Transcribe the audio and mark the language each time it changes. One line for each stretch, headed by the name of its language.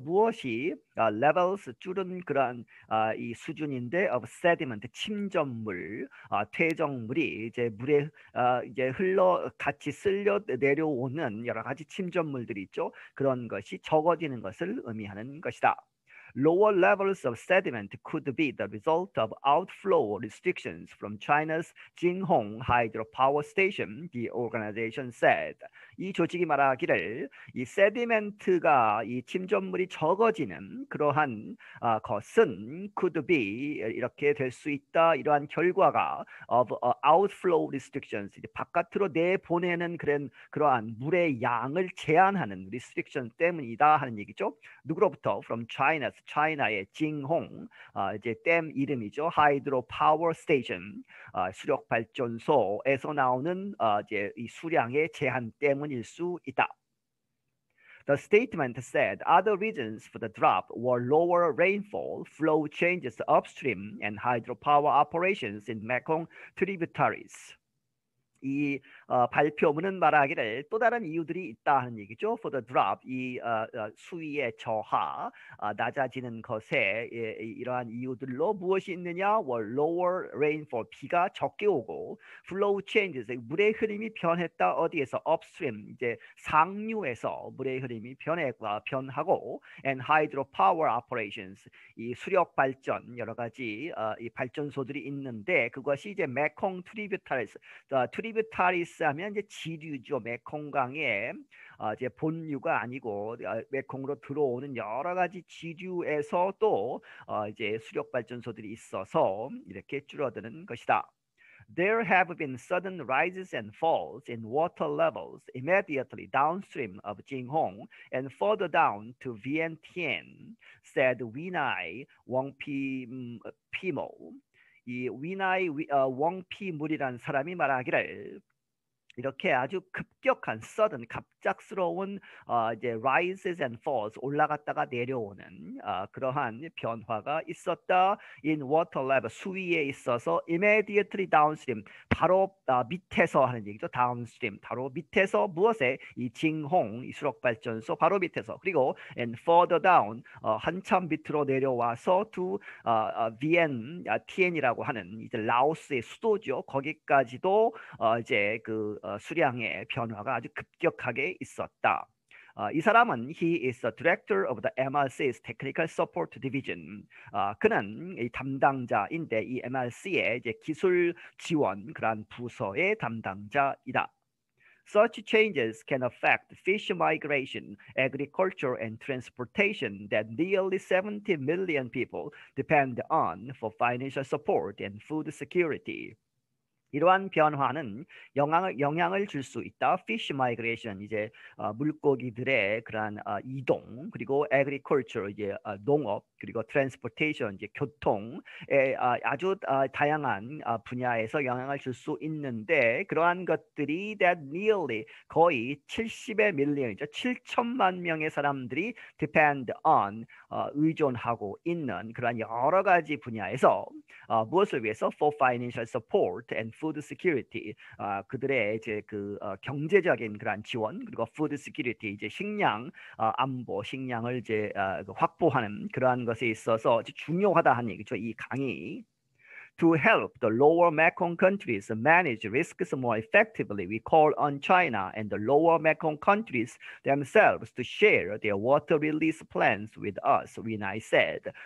Korean: 무엇이
English: levels
Korean: 줄은 그런 이 수준인데
English: of sediment
Korean: 침전물, 퇴적물이 이제 물에 이제 흘러 같이 쓸려 내려오는 여러 가지 침전물들이 있죠. 그런 것이 적어지는 것을 의미하는 것이다.
English: Lower levels of sediment could be the result of outflow restrictions from China's Jinhong Hydropower Station, the organization said.
Korean: 이 조직이 말하기를 이 sediment가 이 침전물이 적어지는 그러한 것은
English: could be
Korean: 이렇게 될수 있다 이러한 결과가
English: of outflow restrictions
Korean: 이제 바깥으로 내보내는 그러한 물의 양을 제한하는 restriction 때문이다 하는 얘기죠. 누구로부터?
English: From China's
Korean: 차이나의 징홍 이제 댐 이름이죠. 하이드로 파워 스테이션 수력 발전소에서 나오는 이제 이 수량의 제한 때문일 수 있다.
English: The statement said other reasons for the drop were lower rainfall, flow changes upstream, and hydropower operations in Mekong tributaries.
Korean: 이 발표문은 말하기를 또 다른 이유들이 있다는 얘기죠.
English: For the drop,
Korean: 이 수위의 저하, 낮아지는 것에 이러한 이유들로 무엇이 있느냐?
English: Were lower rainfall,
Korean: 비가 적게 오고,
English: flow changes,
Korean: 물의 흐름이 변했다. 어디에서?
English: Upstream,
Korean: 이제 상류에서 물의 흐름이 변하고,
English: and hydropower operations,
Korean: 이 수력 발전, 여러 가지 이 발전소들이 있는데, 그것이 이제 메콩 트리뷰타리스, 트리뷰타리스 비싸면 이제 지류죠. 메콩강에 이제 본류가 아니고 메콩으로 들어오는 여러 가지 지류에서 또 이제 수력발전소들이 있어서 이렇게 줄어드는 것이다.
English: There have been sudden rises and falls in water levels immediately downstream of Jinghong and further down to Vientiane, said Winai Wong Pimo.
Korean: 이 위나이 웡피 물이라는 사람이 말하기를 이렇게 아주 급격한 sudden 갑작스러운 이제
English: rises and falls
Korean: 올라갔다가 내려오는 그러한 변화가 있었다.
English: In water level
Korean: 수위에 있어서
English: immediately downstream
Korean: 바로 밑에서 하는 얘기죠. downstream 바로 밑에서 무엇에 이 진홍 이 수력발전소 바로 밑에서 그리고
English: and further down
Korean: 한참 밑으로 내려와서
English: to Vientiane
Korean: 티엔이라고 하는 이제 라오스의 수도죠. 거기까지도 이제 그 수량의 변화가 아주 급격하게 있었다. 이 사람은
English: he is the director of the MRC's technical support division.
Korean: 그는 이 담당자인데 이 MRC의 이제 기술 지원 그러한 부서의 담당자이다.
English: Such changes can affect fish migration, agriculture, and transportation that nearly 70 million people depend on for financial support and food security.
Korean: 이러한 변화는 영향을 줄수 있다.
English: Fish migration,
Korean: 이제 물고기들의 그러한 이동, 그리고 agriculture, 이제 농업, 그리고 transportation, 이제 교통에 아주 다양한 분야에서 영향을 줄수 있는데, 그러한 것들이
English: that nearly
Korean: 거의 70의 밀리언이죠. 7천만 명의 사람들이
English: depend on
Korean: 의존하고 있는 그러한 여러 가지 분야에서 무엇을 위해서?
English: For financial support and food security.
Korean: 그들의 이제 그 경제적인 그러한 지원, 그리고
English: food security,
Korean: 이제 식량 안보, 식량을 이제 확보하는 그러한 것에 있어서 이제 중요하다는 얘기죠. 이 강의.
English: To help the lower Mekong countries manage risks more effectively, we call on China and the lower Mekong countries themselves to share their water release plans with us, Winai said.